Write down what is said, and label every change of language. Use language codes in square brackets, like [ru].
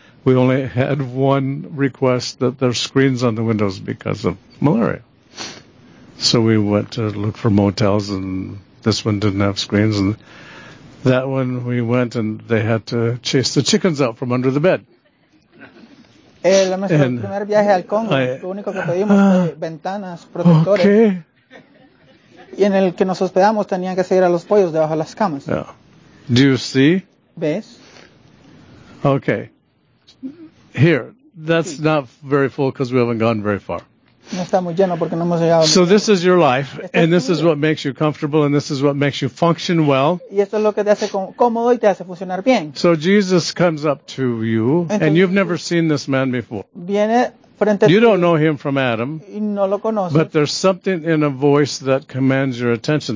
[en] We only had one request that there are screens on the windows because of malaria. So we went to look for motels, and this one didn't have screens. And that one, we went, and they had to chase the chickens out from under the bed. [es] El primer viaje al Congo, lo único que pedimos fue ventanas protectores. [en] Okay. [es] Y en el que nos hospedamos tenían que seguir a los pollos debajo de las camas. [en] Yeah. Do you see? [es] ¿Ves? [en] Okay. Here, that's sí. Not very full because we haven't gone very far. [es] No está muy lleno porque no hemos llegado. [en] So this is your life, and this is what makes you comfortable, and this is what makes you function well. [es] Y esto es lo que te hace cómodo y te hace funcionar bien. [en] So Jesus comes up to you, and you've never seen this man before. [es] Viene frente a ti. [en] You don't know him from Adam. [es] Y no lo conoces. [en] But there's something in a voice that commands your attention.